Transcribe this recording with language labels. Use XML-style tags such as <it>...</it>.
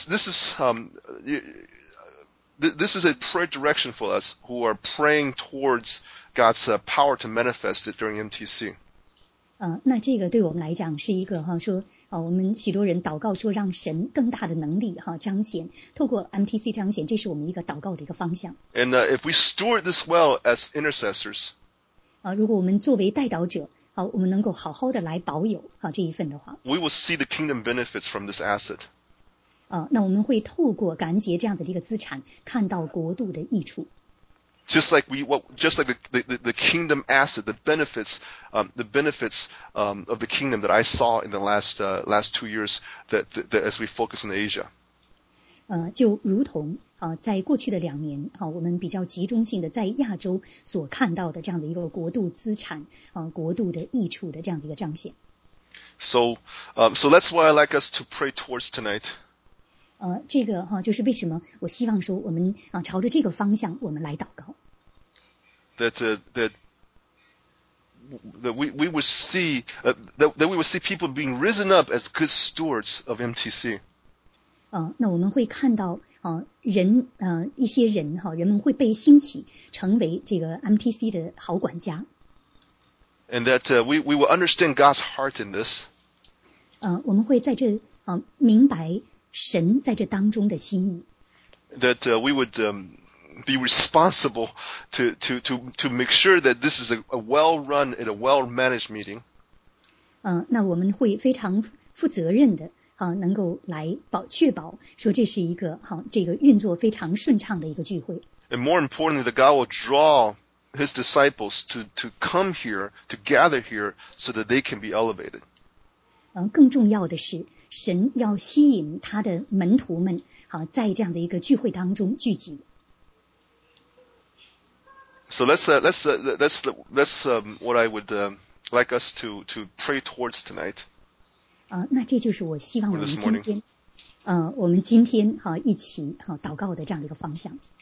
<en>So this is a prayer direction for us who are praying towards God's power to manifest it during MTC.</en> <zh>那这个对我们来讲是一个哈说啊，我们许多人祷告说让神更大的能力哈彰显，透过 MTC 彰显，这是我们一个祷告的一个方向。</zh> <en>And if we steward this well as intercessors,</en> <zh>如果我们作为代祷者。好，我们能够好好的来保有好这一份的话。</zh> <en>We will see the kingdom benefits from this asset.</en> <zh>那我们会透过感恩节这样子的一个资产，看到国度的益处。</zh> <en>Just like the kingdom asset, the benefits of the kingdom that I saw in the last 2 years that as we focus in Asia.</en> <zh>就如同在过去的两年我们比较集中性的在亚洲所看到的这样的一个国度资产国度的益处的这样的一个彰显。</zh> <en>So that's why I like us to pray towards tonight.</en> <zh>这个哈、啊，就是为什么我希望说我们啊朝着这个方向我们来祷告。</zh> <en>That we would see people being risen up as good stewards of MTC.</en> <zh>那我们会看到啊人一些人哈、啊，人们会被兴起成为这个 MTC 的好管家。</zh> <en>And that we will understand God's heart in this.</en> <zh>我们会在这啊明白神在这当中的心意。</zh> <en>That we would be responsible to make sure that this is a well-run and a well-managed meeting.</en> <zh>那我们会非常负责任的啊，能够来保确保说这是一个好、啊、这个运作非常顺畅的一个聚会。</zh> <en>And more importantly, that God will draw His disciples to come here to gather here so that they can be elevated.</en> <zh>更重要的是，神要吸引他的门徒们，好、啊、在这样的一个聚会当中聚集。</zh> <en>So that's what I would like us to pray towards tonight.</en> <zh>那这就是我希望我们今天，我们今天哈、啊、一起哈、啊、祷告的这样的一个方向。</zh>